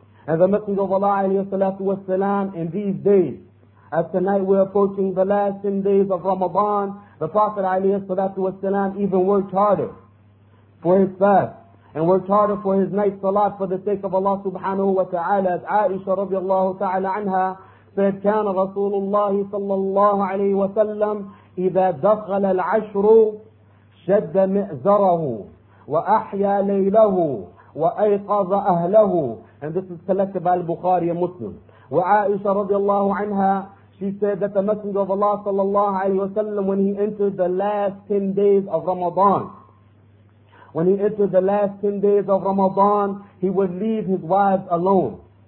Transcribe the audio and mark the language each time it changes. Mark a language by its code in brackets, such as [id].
[en] And the Messenger of Allah alayhi salatu wa salam, in these days, as tonight we're approaching the last 10 days of Ramadan, the Prophet alayhi salatu wa salam even worked harder for his fast and worked harder for his night salat for the sake of Allah subhanahu wa ta'ala. As Aisha radiallahu ta'ala anha said, [ar] كان رسول الله صلى الله عليه وسلم إذا دخل العشر شد مئزره وأحيا ليله وأيقظ أهله. [en] And this is collected by Bukhari and Muslim. وعائشة radiallahu anha, she said that the Messenger of Allah [ar] صلى الله عليه وسلم, [en] when he entered the last 10 days of Ramadan, when he entered the last 10 days of Ramadan, he would leave his wives alone.